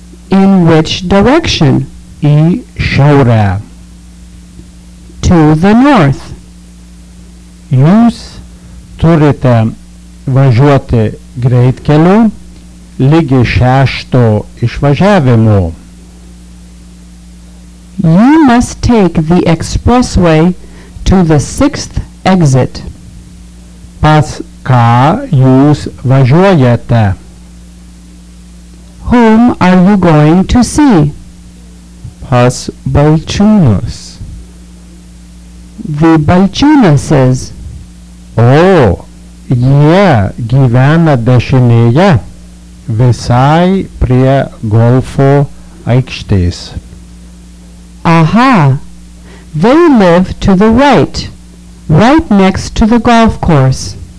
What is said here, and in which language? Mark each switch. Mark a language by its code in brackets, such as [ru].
[en] In which direction? [lt] Į šiaurę. [en] To the north. [lt] Jūs turite važiuoti greitkeliu ligi 6 išvažiavimo. [en] You must take the expressway to the 6th exit. [lt] Pas ką jūs važiuojate? [en] Whom are you going to see? [lt] Pas Balčiūnus. [en] The Balčiūnuses. [lt] O, jie gyvena dešinėje, visai prie golfo aikštės. [en] Aha, they live to the right, right next to the golf course.